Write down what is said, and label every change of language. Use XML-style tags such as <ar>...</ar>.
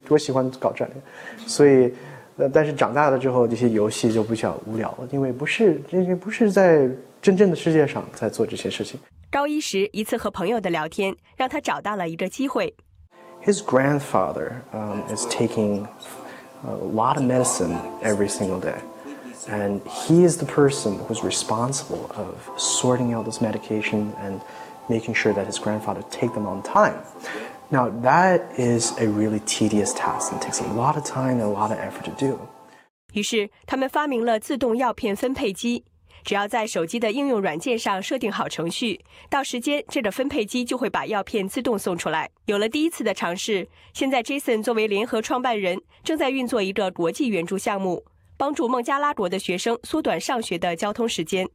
<zh>我喜欢搞战略，所以但是长大了之后这些游戏就比较无聊了，因为不是在真正的世界上在做这些事情。高一时一次和朋友的聊天让他找到了一个机会。</zh> <en>His grandfather is taking a lot of medicine every single day and he is the person who's responsible of sorting out this medication and making sure that his grandfather take them on time. Now that is a really tedious task and takes a lot of time and a lot of effort to do.</en> <zh>于是他们发明了自动药片分配机，只要在手机的应用软件上设定好程序，到时间这个分配机就会把药片自动送出来。有了第一次的尝试，现在 Jason 作为联合创办人正在运作一个国际援助项目，帮助孟加拉国的学生缩短上学的交通时间。</zh>